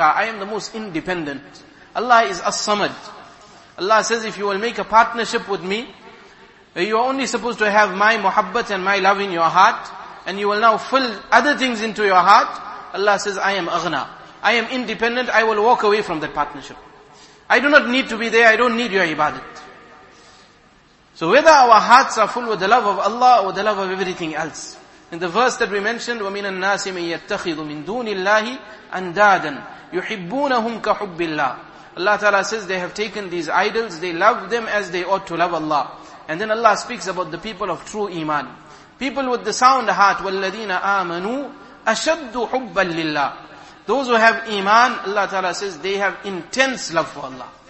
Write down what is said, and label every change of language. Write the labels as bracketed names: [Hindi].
[English] I am the most independent. Allah is as-samad. Allah says, if you will make a partnership with me, you are only supposed to have my muhabbat and my love in your heart, and you will now fill other things into your heart. Allah says, I am أَغْنَى. I am independent, I will walk away from that partnership. I do not need to be there, I don't need your ibadat. So whether our hearts are full with the love of Allah or the love of everything else. In the verse that we mentioned, [Arabic] وَمِنَ النَّاسِ مَنْ يَتَّخِذُ مِنْ دُونِ اللَّهِ أَنْدَادًا يُحِبُّونَهُمْ كَحُبِّ اللَّهِ. [English] Allah Ta'ala says they have taken these idols, they love them as they ought to love Allah. And then Allah speaks about the people of true iman. People with the sound heart, [Arabic] وَالَّذِينَ آمَنُوا أَشَدُّ حُبَّا لِلَّهِ. [English] Those who have iman, Allah Ta'ala says, they have intense love for Allah.